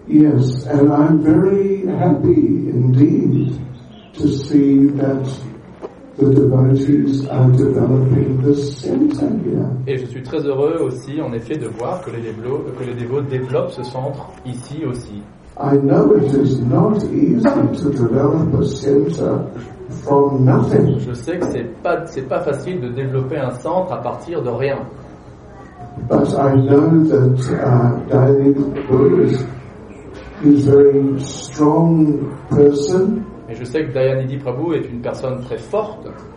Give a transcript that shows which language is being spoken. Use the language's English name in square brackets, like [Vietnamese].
[English] Yes, and I'm very happy indeed to see that the devotees are developing this centre here. [French] Et je suis très heureux aussi, en effet, de voir que les dévots développent ce centre ici aussi. [English] I know it is not easy to develop a center from nothing. [French] Je sais que c'est pas facile de développer un centre à partir de rien. [English] But I know that David Burris is a strong person. [French] Et je sais que Dayanidhi Prabhu est une personne très forte.